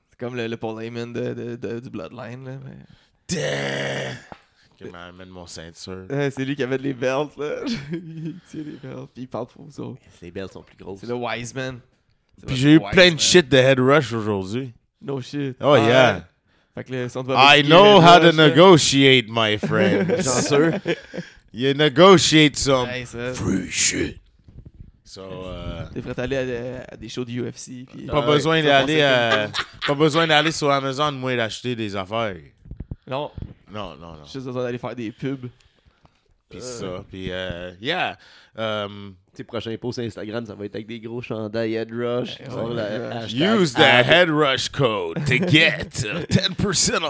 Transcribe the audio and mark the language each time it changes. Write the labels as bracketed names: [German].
[French] C'est comme le Paul Heyman du Bloodline. Là, mais... Qui m'amène mon ceinture. C'est lui qui avait les belts, là. Il tient les belts, puis il parle pour vous autres. Les belts sont plus grosses. C'est le wise man. C'est puis j'ai eu plein de shit de Head Rush aujourd'hui. [English] No shit. Oh, ah, yeah. [French] Fait que si on [English] te I know how rush, to negotiate, my friend. [French] J'en sûr. [English] You negotiate some free shit. So, [French] t'es prêt à aller à des shows de UFC. Puis pas, besoin d'aller pas besoin d'aller sur Amazon, moi, d'acheter des affaires. Non. Non, non, non. J'ai juste besoin d'aller faire des pubs. Pis ça, pis yeah. Tes prochains posts Instagram, ça va être avec des gros chandails Head Rush. [English] Use the Head Rush code to get 10% off.